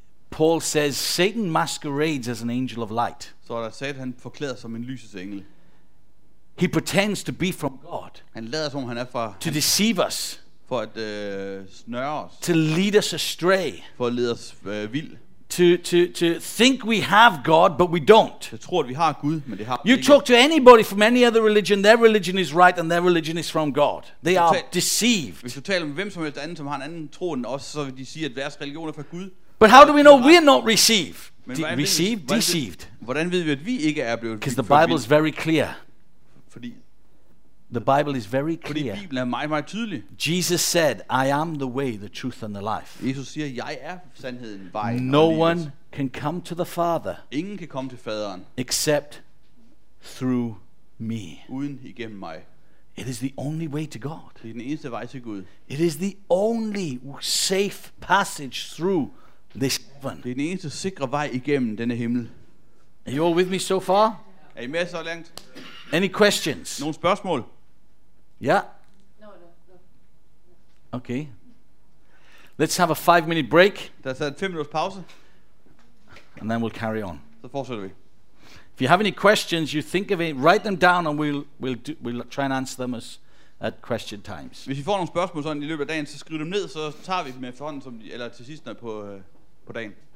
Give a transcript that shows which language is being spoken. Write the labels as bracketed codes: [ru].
[en] Paul says Satan masquerades as an angel of light. [da] Så der sagde han forklæder som en lysets engel. [en] He pretends to be from God. [da] Han lader som han er fra. [en] To deceive us. [da] For at snøre os. [en] To lead us astray. [da] For at lede os vild. [en] To think we have God, but we don't. [da] Jeg tror, at vi har Gud, men det har vi ikke. [en] You talk to anybody from any other religion, their religion is right and their religion is from God. They are deceived. [da] Hvis du taler med hvem som helst anden, som har en anden tro end os, så vil de sige, at deres religion er fra Gud. [en] But how do we know we are not received? Received, deceived. [da] Hvordan ved vi, at vi ikke er blevet? [en] Because the Bible is very clear. [da] Fordi [en] the Bible is very clear. [da] Fordi Bibelen er meget, meget tydelig. [en] Jesus said, "I am the way, the truth, and the life." [da] Jesus siger, "Jeg er sandheden, vejen." [en] No one can come to the Father. [da] Ingen kan komme til Faderen. [en] Except through me. [da] Uden igennem mig. [en] It is the only way to God. [da] Det er den eneste vej til Gud. [en] It is the only safe passage through this heaven. [da] Det er den eneste sikre vej igennem denne himmel. [en] Are you all with me so far? [da] Er I med så langt? [en] Any questions? [da] Nogle spørgsmål? Ja. [en] No. Okay. Let's have a 5-minute break. [da] Der er en 5-minutters pause. [en] And then we'll carry on. [da] Så fortsætter vi. [en] If you have any questions, you think of it, write them down, and we'll try and answer them as at question times. [da] Hvis I får nogle spørgsmål sådan i løbet af dagen, så skriv dem ned, så tager vi dem efterhånden som eller til sidst på på dagen.